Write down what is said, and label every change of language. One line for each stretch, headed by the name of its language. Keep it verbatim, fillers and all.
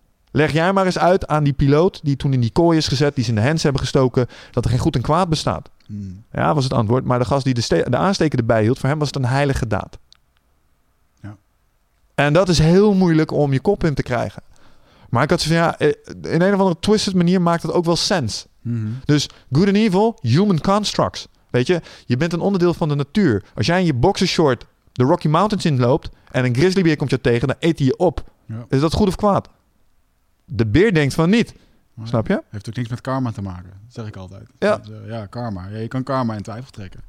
Dutch: Leg jij maar eens uit aan die piloot die toen in die kooi is gezet... die ze in de hens hebben gestoken, dat er geen goed en kwaad bestaat. Hmm. Ja, was het antwoord. Maar de gast die de, ste- de aansteker erbij hield... voor hem was het een heilige daad. Ja. En dat is heel moeilijk om je kop in te krijgen. Maar ik had zo van, ja, in een of andere
English: twisted
Dutch: manier maakt dat ook wel sens. Mm-hmm.
English: Dus good and evil, human constructs.
Dutch: Weet je, je bent een onderdeel van de natuur. Als jij in je boxershort de Rocky Mountains inloopt en een grizzlybeer komt je tegen, dan eet hij je op. Ja. Is dat goed of kwaad? De beer denkt van niet. Maar snap je? Heeft ook niks met karma te maken. Dat zeg ik altijd. Ja, dat, uh, ja karma. Ja, je kan karma in twijfel trekken.